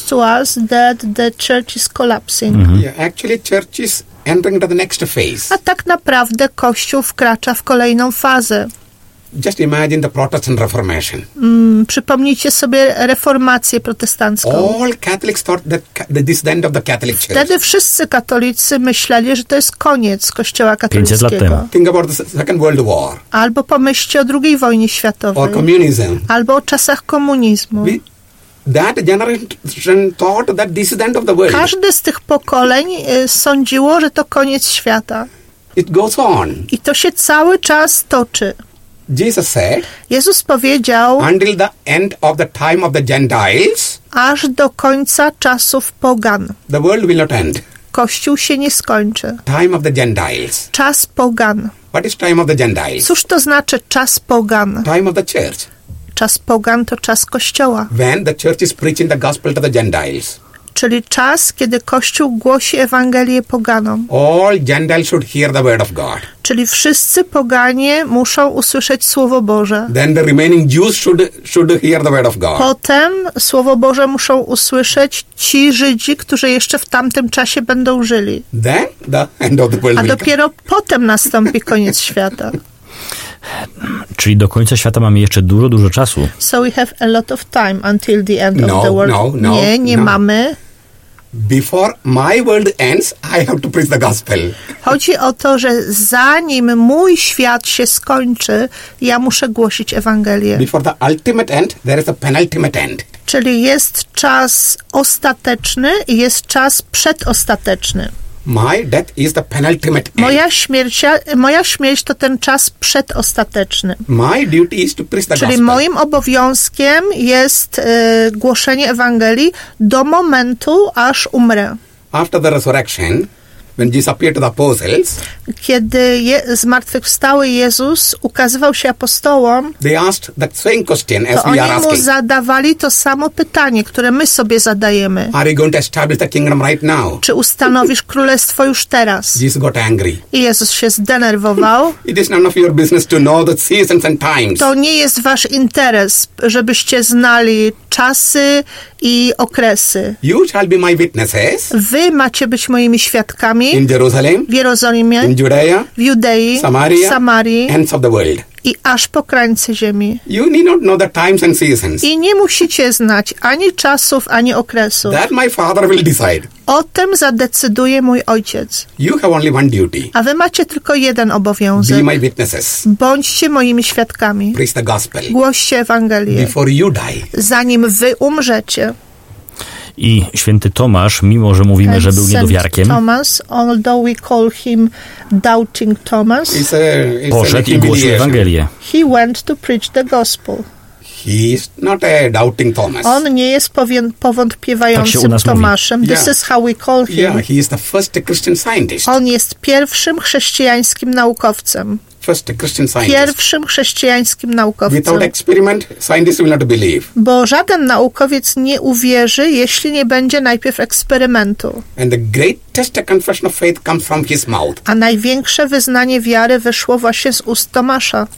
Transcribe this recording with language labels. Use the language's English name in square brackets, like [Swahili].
[English] To us that the church is collapsing. Yeah, actually church is entering into the next phase. [Polish] A tak naprawdę kościół wkracza w kolejną fazę. [English] Just imagine the Protestant Reformation. [Polish] Przypomnijcie sobie reformację protestancką. [English] All Catholics thought that this is the end of the Catholic Church. [Polish] Wtedy wszyscy katolicy myśleli, że to jest koniec kościoła katolickiego. 500 lat temu. [English] Think about the Second World War. [Polish] Albo pomyślcie o II wojnie światowej. [English] Or communism. [Polish] Albo o czasach komunizmu. [English] That generation thought that this is the end of the world. [Polish] Każde z tych pokoleń sądziło, że to koniec świata. [English] It goes on. [Polish] I to się cały czas toczy. [English] Jesus said, [Polish] Jezus powiedział, [English] until the end of the time of the Gentiles, [Polish] aż do końca czasów pogan, [English] the world will not end. [Polish] kościół się nie skończy. [English] Time of the Gentiles. [Polish] Czas pogan. [English] What is time of the Gentiles? [Polish] Cóż to znaczy czas pogan? [English] Time of the church. [Polish] Czas pogan to czas kościoła. [English] When the church is preaching the gospel to the Gentiles. [Polish] Czyli czas, kiedy Kościół głosi Ewangelię poganom. [English] All Gentiles should hear the word of God. [Polish] Czyli wszyscy poganie muszą usłyszeć Słowo Boże. [English] Then the remaining Jews should hear the word of God. [Polish] Potem Słowo Boże muszą usłyszeć ci Żydzi, którzy jeszcze w tamtym czasie będą żyli. [English] Then the end of the world. [Polish] A dopiero potem nastąpi koniec świata. Czyli do końca świata mamy jeszcze dużo, dużo czasu. [English] So we have a lot of time until the end of the world. [Polish] No, mamy. [English] Before my world ends, I have to preach the gospel. [Polish] Chodzi o to, że zanim mój świat się skończy, ja muszę głosić Ewangelię. [English] Before the ultimate end, there is a penultimate end. [Polish] Czyli jest czas ostateczny i jest czas przedostateczny. [English] My death is the penultimate end. [Polish] Moja śmierć to ten czas przedostateczny. [English] My duty is to preach the [Polish] Czyli [English] gospel. [Polish] Moim obowiązkiem jest głoszenie Ewangelii do momentu, aż umrę. [English] After the resurrection, when Jesus appeared to the apostles, [Polish] kiedy zmartwychwstały Jezus ukazywał się apostołom, [English] they asked the same question as [Polish] to [English] we [Polish] oni [English] are asking. [Polish] Mu zadawali to samo pytanie, które my sobie zadajemy. [English] Are you going to establish the kingdom right now? [Polish] Czy ustanowisz królestwo już teraz? [English] Jesus got angry. [Polish] I Jezus się zdenerwował. [English] It is none of your business to know the seasons and times. [Polish] To nie jest wasz interes, żebyście znali czasy i okresy. [English] You shall be my witnesses. [Polish] Wy macie być moimi świadkami. [English] In Jerusalem. [Polish] W Jerozolimie. [English] In Judea. [Polish] W Judei. [English] Samaria. [Polish] Samarii. [English] Ends of the world. [Polish] I aż po krańce ziemi. [English] You need not know the times and seasons. [Polish] I nie musicie znać ani czasów, ani okresów. [English] That my father will decide. [Polish] O tym zadecyduje mój ojciec. [English] You have only one duty. [Polish] A wy macie tylko jeden obowiązek. [English] Be my witnesses. [Polish] Bądźcie moimi świadkami. [English] Preach the gospel. [Polish] Głoście Ewangelię. [English] Before you die. [Polish] Zanim wy umrzecie. I święty Tomasz, mimo że mówimy, [English] and [Polish] że był niedowiarkiem, [English] Thomas, although we call him doubting Thomas, [Polish] poszedł i głosił Ewangelię. [English] He went to preach the gospel. He is not a doubting Thomas. [Polish] On nie jest powątpiewającym tak Tomaszem. Mówi. [English] This is how we call him. Yeah, he is the first Christian scientist. [Polish] On jest pierwszym chrześcijańskim naukowcem. [English] First Christian scientist. [Polish] Pierwszym chrześcijańskim naukowcem. [English] Without experiment, scientists will not believe. [Polish] Bo żaden naukowiec nie uwierzy, jeśli nie będzie najpierw eksperymentu. [English] And the greatest confession of faith comes from his mouth. [Polish] A największe wyznanie wiary wyszło właśnie z ust Tomasza.